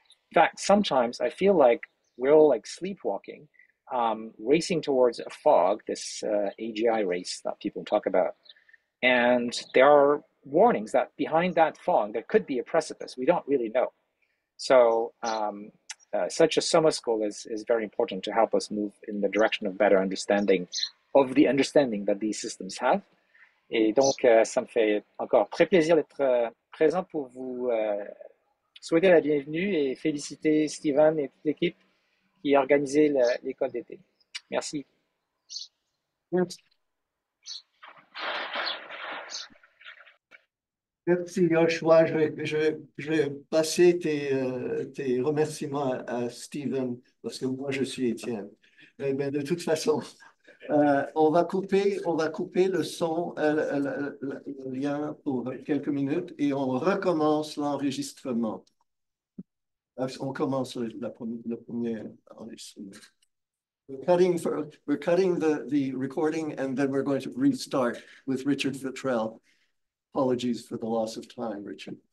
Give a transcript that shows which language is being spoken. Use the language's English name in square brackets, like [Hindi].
[English] In fact, sometimes I feel like we're all like sleepwalking, racing towards a fog, this AGI race that people talk about. And there are warnings that behind that fog, there could be a precipice. We don't really know. So such a summer school is very important to help us move in the direction of better understanding of the understanding that these systems have. [French] Et donc, ça me fait encore très plaisir d'être présent pour vous souhaiter la bienvenue et féliciter Steven et toute l'équipe. Et organiser l'école d'été. Merci. Merci Yoshua, je vais passer tes remerciements à Steven, parce que moi je suis Étienne. Et bien, de toute façon, on va couper le son, le lien pour quelques minutes et on recommence l'enregistrement. On commence le premier enregistrement. [English] We're cutting the recording and then we're going to restart with Richard Futrell. Apologies for the loss of time, Richard.